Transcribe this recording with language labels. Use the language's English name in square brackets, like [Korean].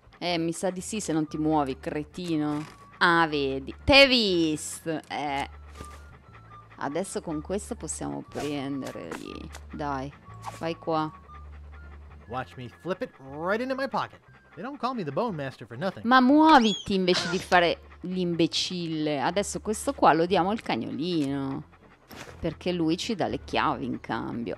[Italian] Mi sa di sì se non ti muovi, cretino. Ah, vedi. T'è visto. Adesso con questo possiamo prendere lì. Dai, vai qua. [English] Watch me flip it right into my pocket. They don't call me the Bone Master for nothing. [Italian] Ma muoviti invece di fare l'imbecille. Adesso questo qua lo diamo al cagnolino, perché lui ci dà le chiavi in cambio.